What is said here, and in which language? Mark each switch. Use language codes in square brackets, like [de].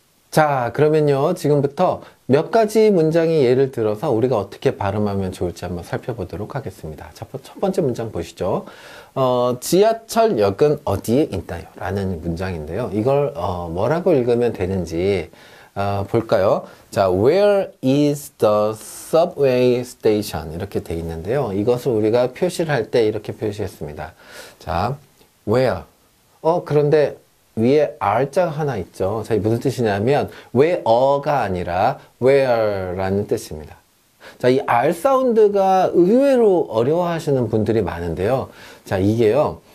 [ko] 자, 그러면요. 지금부터 몇 가지 문장이 예를 들어서 우리가 어떻게 발음하면 좋을지 한번 살펴보도록 하겠습니다. 첫 번째 문장 보시죠. 지하철역은 어디에 있나요? 라는 문장인데요. 이걸 뭐라고 읽으면 되는지 볼까요? [en] 자, where is the subway station? [ko] 이렇게 돼 있는데요. 이것을 우리가 표시를 할 때 이렇게 표시했습니다. [en] 자, where? [ko] 그런데 위에 R자가 하나 있죠. 자, 이게 무슨 뜻이냐면 where가 아니라 where라는 뜻입니다. 자, 이 R 사운드가 의외로 어려워하시는 분들이 많은데요. 자, 이게요.